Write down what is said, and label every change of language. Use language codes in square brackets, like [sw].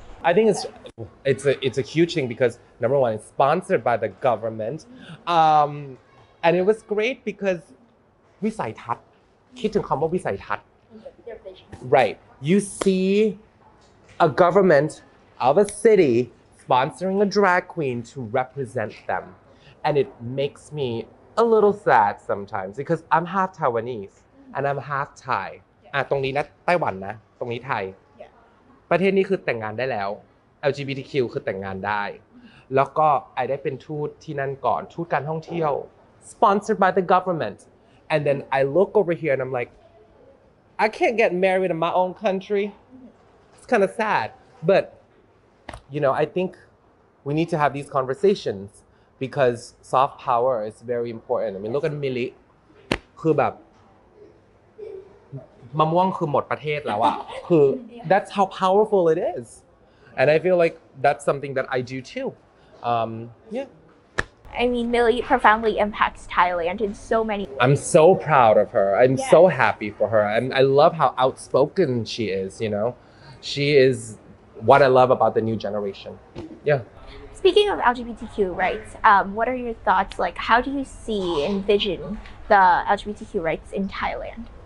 [en] I think it's a huge thing because number one, it's sponsored by the government, and it was great because [th] วิสัยทัศน์คิดถึงคำว่าวิสัยทัศน์ [en] right, you see a government of a city sponsoring a drag queen to represent them, and it makes me a little sad sometimes because I'm half Taiwanese and I'm half Thai. [th] ตรงนี้นะไต้หวันนะตรงนี้ไทยประเทศนี้คือแต่งงานได้แล้ว LGBTQ คือแต่งงานได้แล้วก็ไอได้เป็นทูตที่นั่นก่อนทูตการท่องเที่ยว [en] sponsored by the government and then I look over here and I'm like I can't get married in my own country it's kind of sad but you know I think we need to have these conversations because soft power is very important I mean look at Milly [th] คือแบบมะม่วงคือหมดประเทศแล้วอ่ะคือ [en] that's how powerful it is and I feel like that's something that I do too yeah I mean Milly profoundly impacts Thailand in so many ways. I'm so proud of her I'm so happy for her and I love how outspoken she is you know she is what I love about the new generation yeah speaking of LGBTQ rights what are your thoughts like how do you see envision the LGBTQ rights in Thailand